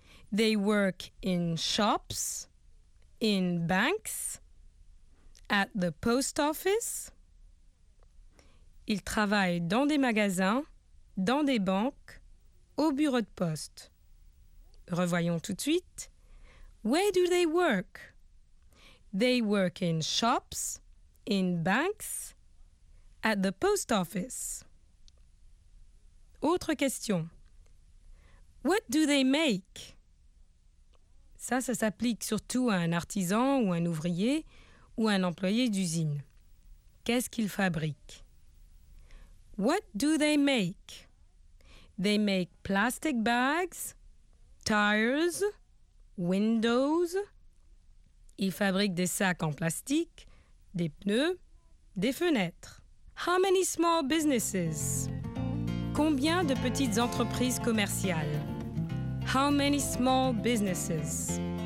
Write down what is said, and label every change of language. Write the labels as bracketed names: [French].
[English] They work in shops, in banks, at the post office. [French] Ils travaillent dans des magasins, dans des banques, au bureau de poste. Revoyons tout de suite. [English] Where do they work? They work in shops, in banks, at the post office. [French] Autre question. [English] What do they make? [French] Ça s'applique surtout à un artisan ou un ouvrier ou un employé d'usine. Qu'est-ce qu'ils fabriquent? [English] What do they make? They make plastic bags, tires, windows. [French] Ils fabriquent des sacs en plastique, des pneus, des fenêtres. [English] How many small businesses? [French] Combien de petites entreprises commerciales? [English] How many small businesses?